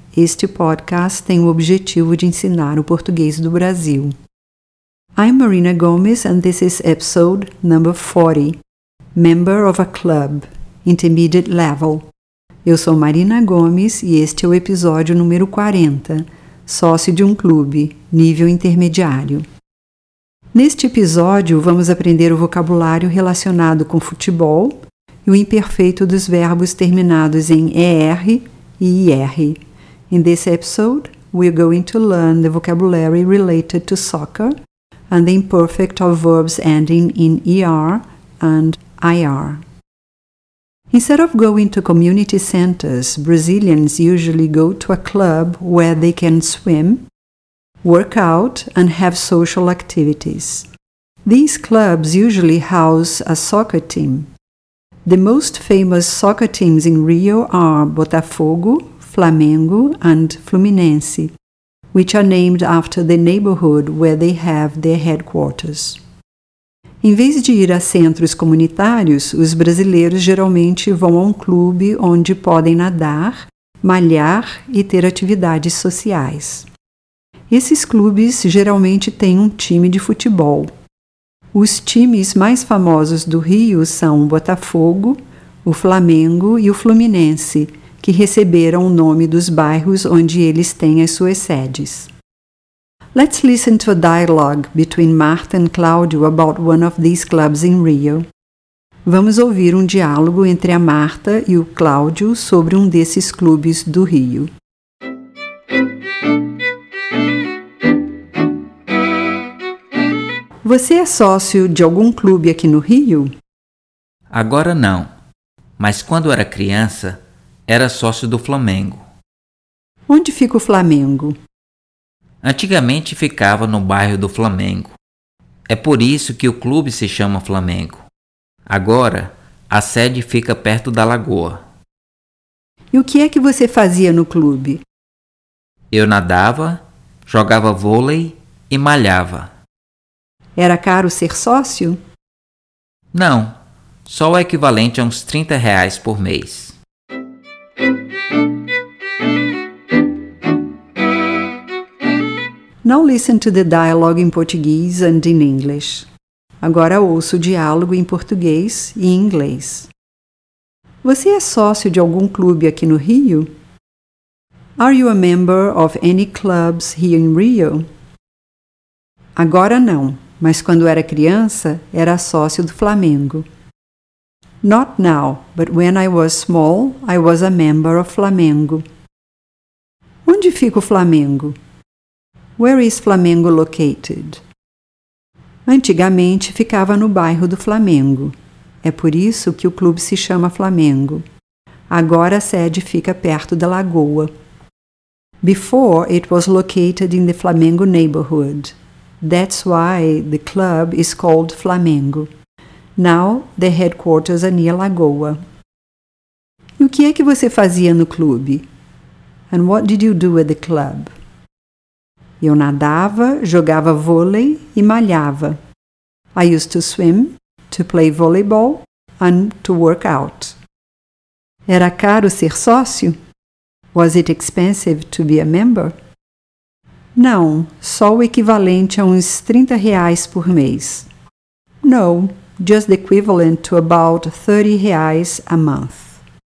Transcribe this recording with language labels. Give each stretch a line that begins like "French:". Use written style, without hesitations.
Portuguese: Este podcast tem o objetivo de ensinar o português do Brasil.
English: I'm Marina Gomes and this is episode number 40, Member of a Club, Intermediate Level.
Portuguese: Eu sou Marina Gomes e este é o episódio número 40, Sócio de um Clube, Nível Intermediário. Neste episódio, vamos aprender o vocabulário relacionado com futebol e o imperfeito dos verbos terminados em ER e IR.
English: In this episode, we're going to learn the vocabulary related to soccer and the imperfect of verbs ending in ER and IR. Instead of going to community centers, Brazilians usually go to a club where they can swim, work out, and have social activities. These clubs usually house a soccer team. The most famous soccer teams in Rio are Botafogo, Flamengo, and Fluminense, which are named after the neighborhood where they have their headquarters.
Portuguese: Em vez de ir a centros comunitários, os brasileiros geralmente vão a um clube onde podem nadar, malhar e ter atividades sociais. Esses clubes geralmente têm um time de futebol. Os times mais famosos do Rio são o Botafogo, o Flamengo e o Fluminense, que receberam o nome dos bairros onde eles têm as suas sedes.
English: Let's listen to a dialogue between Marta and Claudio about one of these clubs in Rio.
Portuguese: Vamos ouvir um diálogo entre a Marta e o Claudio sobre um desses clubes do Rio. Você é sócio de algum clube aqui no Rio? Agora não, mas quando era criança, era sócio do Flamengo. Onde fica o Flamengo? Antigamente ficava no bairro do Flamengo. É por isso que o clube se chama Flamengo. Agora, a sede fica perto da Lagoa. E o que é que você fazia no clube? Eu nadava, jogava vôlei e malhava. Era caro ser sócio? Não, só o equivalente a uns R$30 por mês.
English: Now listen to the dialogue in Portuguese and in English.
Portuguese: Agora ouça o diálogo em português e em inglês. Você é sócio de algum clube aqui no Rio?
English: Are you a member of any clubs here in Rio?
Portuguese: Agora não. Mas quando era criança, era sócio do Flamengo.
English: Not now, but when I was small, I was a member of Flamengo.
Portuguese: Onde fica o Flamengo?
English: Where is Flamengo located?
Portuguese: Antigamente ficava no bairro do Flamengo. É por isso que o clube se chama Flamengo. Agora a sede fica perto da Lagoa.
English: Before, it was located in the Flamengo neighborhood. That's why the club is called Flamengo. Now, the headquarters are near Lagoa.
Portuguese: E o que é que você fazia no clube?
English: And what did you do at the club?
Portuguese: Eu nadava, jogava vôlei e malhava.
English: I used to swim, to play volleyball, and to work out.
Portuguese: Era caro ser sócio?
English: Was it expensive to be a member?
Portuguese: Não, só o equivalente a uns R$30 por mês.
English: No, just the equivalent to about R$30 a month.